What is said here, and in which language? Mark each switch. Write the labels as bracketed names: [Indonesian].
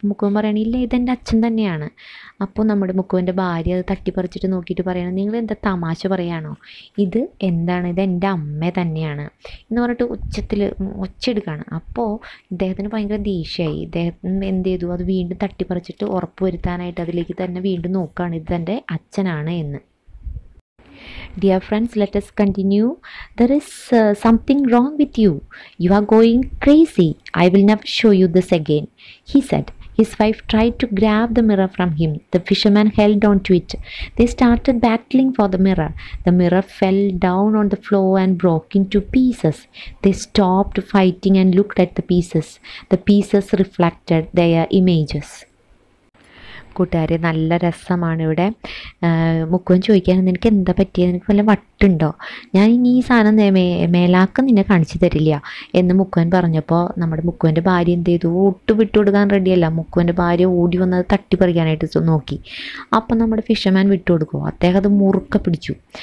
[Malayalam] അപ്പോൾ മുക്കുവൻ പറയണ, ഇല്ല, ഇതെൻ്റെ അച്ഛൻ തന്നെയാണ്. അപ്പോൾ നമ്മുടെ മുക്കുവൻ്റെ ഭാര്യ അത് തട്ടിപ്പറിച്ചിട്ട് നോക്കിയിട്ട് പറയണം, നിങ്ങൾ എന്താ തമാശ പറയുകയാണോ? ഇത് എന്താണ്? ഇത് എൻ്റെ അമ്മ തന്നെയാണ് എന്ന് പറഞ്ഞിട്ട് ഉച്ചത്തിൽ ഒച്ചെടുക്കുകയാണ്. അപ്പോൾ ഇദ്ദേഹത്തിന് ഭയങ്കര ദേഷ്യമായി. ഇദ്ദേഹം എന്ത് ചെയ്തു? അത് വീണ്ടും തട്ടിപ്പറിച്ചിട്ട് ഉറപ്പ് വരുത്താനായിട്ട് അതിലേക്ക് തന്നെ വീണ്ടും നോക്കുകയാണ്, ഇത് എൻ്റെ അച്ഛനാണ് എന്ന്. [English] Dear friends, let us continue. There is something wrong with you. You are going crazy. I will never show you this again, he said. His wife tried to grab the mirror from him. The fisherman held on to it. They started battling for the mirror. The mirror fell down on the floor and broke into pieces. They stopped fighting and looked at the pieces. The pieces reflected their images. [Malayalam] കൂട്ടുകാർ, നല്ല രസമാണ് ഇവിടെ. മുക്കുവൻ ചോദിക്കാൻ നിനക്ക് എന്താ പറ്റിയത്, നിനക്ക് വല്ല വട്ടുണ്ടോ, ഞാൻ ഇനി ഈ സാധനം മേലാക്കം നിന്നെ കാണിച്ചു തരില്ല എന്ന് മുക്കുവൻ പറഞ്ഞപ്പോൾ നമ്മുടെ മുക്കുവൻ്റെ ഭാര്യ എന്ത് ചെയ്തു, ഒട്ടു വിട്ടുകൊടുക്കാൻ റെഡിയല്ല. മുക്കുവൻ്റെ ഭാര്യ ഓടി വന്നത് തട്ടിപ്പറിക്കാനായിട്ട് നോക്കി. അപ്പം നമ്മുടെ ഫിഷർമാൻ വിട്ടുകൊടുക്കും, അദ്ദേഹം അത് മുറുക്കെ പിടിച്ചു.